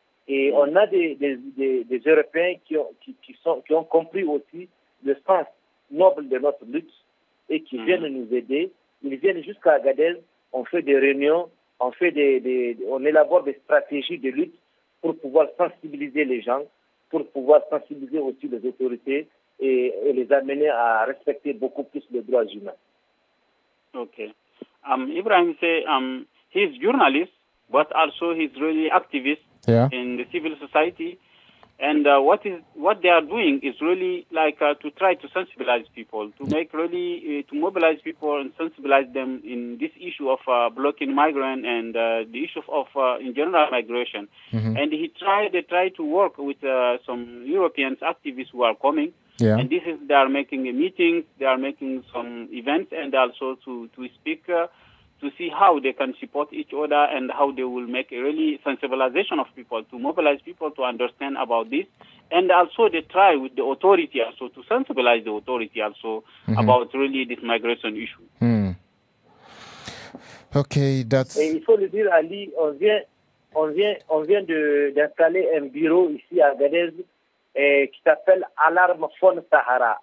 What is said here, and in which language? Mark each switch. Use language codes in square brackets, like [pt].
[fr] Et on a des Européens qui ont compris aussi le sens noble de notre lutte et qui viennent nous aider. Ils viennent jusqu'à Agadez, on fait des réunions, on élabore des stratégies de lutte pour pouvoir sensibiliser les gens, pour pouvoir sensibiliser aussi les autorités et les amener à respecter beaucoup plus les droits humains. Ok. [en] Ibrahim say he's journalist, but also he's really activist in the civil society. And what they are doing is really like to try to sensibilize people, to make really to mobilize people and sensibilize them in this issue of blocking migrants and the issue of in general migration. Mm-hmm. And they try to work with some European activists who are coming. Yeah. And this is they are making a meeting, they are making some events, and also to speak to see how they can support each other and how they will make a really sensibilization of people, to mobilize people to understand about this. And also they try with the authority also to sensibilize the authority also about really this migration issue. Mm. Okay, that's... [fr] Et il faut le dire, Ali, on vient d'installer un bureau ici à Gadez qui s'appelle Alarme Faune Sahara.